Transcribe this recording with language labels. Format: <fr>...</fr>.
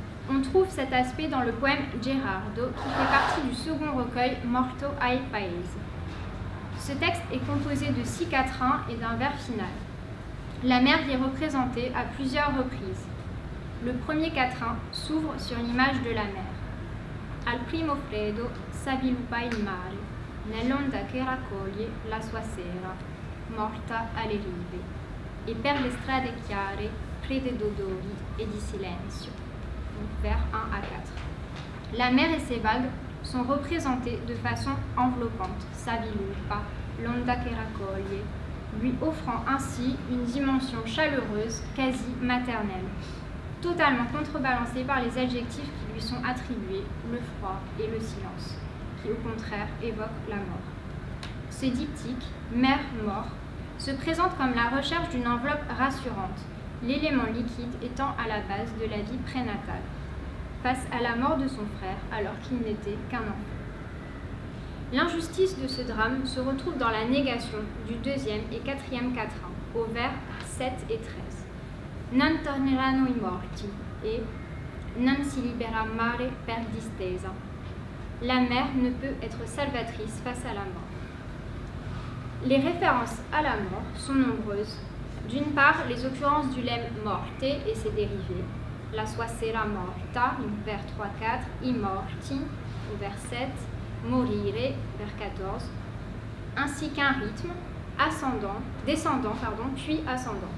<fr>On trouve cet aspect dans le poème Gerardo, qui fait partie du second recueil Morto ai paesi. Ce texte est composé de 6 quatrains et d'un vers final. La mère y est représentée à plusieurs reprises. Le premier quatrain s'ouvre sur l'image de la mère.</fr> <it>Al primo freddo s'avviluppa il mare, nell'onda che raccoglie la sua sera, morta alle rive, e per le strade chiare, prede d'odori e di silenzio.</it> <fr>Vers 1 à 4. La mer et ses vagues sont représentées de façon enveloppante,</fr> <it>s'avviluppa, l'onda che raccoglie,</it> <fr>lui offrant ainsi une dimension chaleureuse, quasi maternelle, totalement contrebalancée par les adjectifs qui lui sont attribués, le froid et le silence, qui au contraire évoquent la mort. Ce diptyque, mer-mort, se présente comme la recherche d'une enveloppe rassurante, l'élément liquide étant à la base de la vie prénatale, face à la mort de son frère alors qu'il n'était qu'un enfant. L'injustice de ce drame se retrouve dans la négation du deuxième et quatrième quatrain, au vers 7 et 13.</fr> <it>Non torneranno i morti et non si libera mare per distesa.</it> <fr>La mer ne peut être salvatrice face à la mort. Les références à la mort sont nombreuses, D'une part, les occurrences du lemme morte et ses dérivés.</fr> <it>La sua sera morta,</it> <fr>vers 3-4, i morti, vers 7, morire, vers 14, ainsi qu'un rythme, descendant, puis ascendant.</fr>